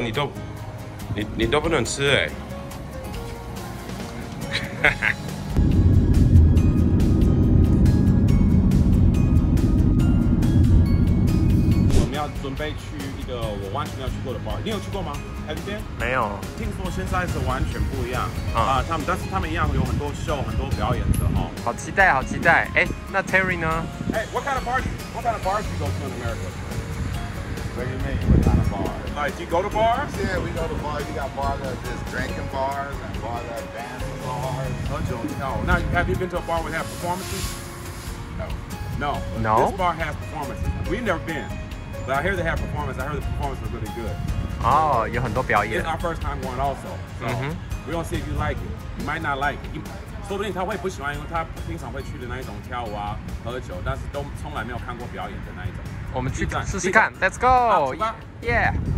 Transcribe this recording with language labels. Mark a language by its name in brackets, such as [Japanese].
[Chinese] 你都不能吃哎。 我们要准备去一个我完全没有去过的 bar， 你有去过吗？ [English] Have you been? [Chinese] 没有，听说现在是完全不一样。啊，他们，但是他们一样有很多 show， 很多表演的哈。好期待，。哎，那 Terry 呢？ [English] Hey, what kind of bars? What kind of bars do you go to in America? What do you mean? What kind of bars? Like, do you go to bars? Yeah, we go to bars. You got bars that just drinking bars and bars that dancing bars. Oh, no. Now, have you been to a bar where they have performances? No. No. No. This bar has performances. We've never been, but I hear they have performances. I heard the performances are really good. [Chinese] 哦，有很多表演。 [English] It's our first time going also. We're gonna see if you like it. You might not like it. [Chinese] 说不定他会不喜欢，因为他平常会去的那一种跳舞啊、喝酒，但是都从来没有看过表演的那一种。我们去试试看。 [English] Let's go. Yeah.